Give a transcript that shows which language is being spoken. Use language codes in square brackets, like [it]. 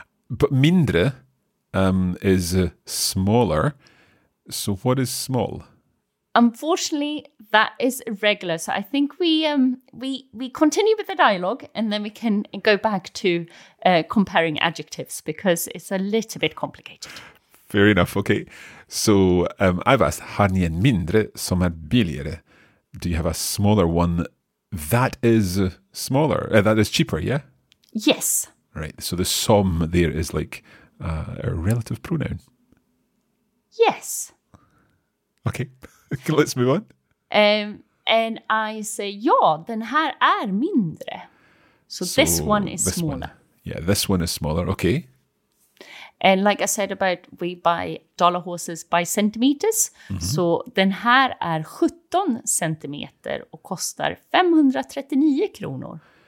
[en] But mindre is smaller, so what is small? Unfortunately, that is irregular. So I think we continue with the dialogue and then we can go back to comparing adjectives because it's a little bit complicated. Fair enough. Okay. So I've asked, [sv] har ni en mindre som är billigare? [en] Do you have a smaller one that is smaller? That is cheaper, yeah? Yes. Right. So the som there is like a relative pronoun. Yes. Okay. Let's move on. And I say, [sv] ja, den här är mindre. [en] So this one is this smaller. One. Yeah, this one is smaller. Okay. And like I said about, we buy dollar horses by centimeters. Mm-hmm. [sv] So den här är 17 centimeter och kostar 539 kronor.